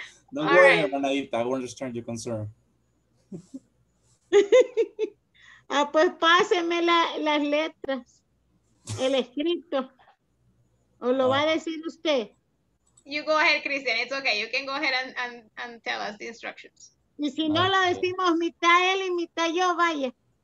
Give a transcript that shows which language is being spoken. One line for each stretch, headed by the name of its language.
English: Don't worry, right. Hermanadita, I won't understand your concern.
Spanish: Ah, pues páseme las letras, el escrito, o lo va a decir usted.
English: You go ahead, Christian, it's okay, you can go ahead and tell us the instructions.
Spanish: Y si no, lo decimos mitad él y mitad yo, vaya.